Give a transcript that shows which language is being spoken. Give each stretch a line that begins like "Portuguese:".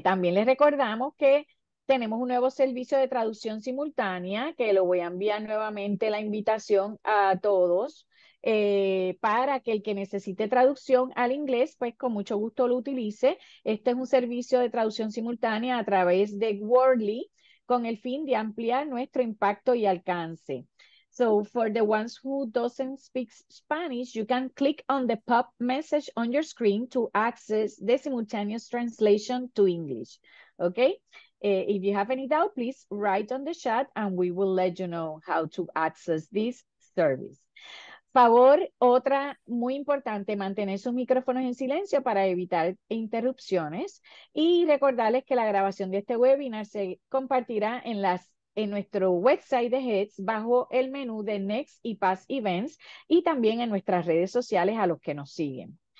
Spanish: También les recordamos que tenemos un nuevo servicio de traducción simultánea que lo voy a enviar nuevamente la invitación a todos para que el que necesite traducción al inglés, pues con mucho gusto lo utilice. Este es un servicio de traducción simultánea a través de Wordly con el fin de ampliar nuestro impacto y alcance.
English: So, for the ones who doesn't speak Spanish, you can click on the pop message on your screen to access the simultaneous translation to English. Okay? If you have any doubt, please write on the chat and we will let you know how to access this service.
Spanish: Favor, otra muy importante, mantener sus micrófonos en silencio para evitar interrupciones y recordarles que la grabación de este webinar se compartirá en nuestro website de HEDS bajo el menú de Next y Past Events y también en nuestras redes sociales a los que nos siguen.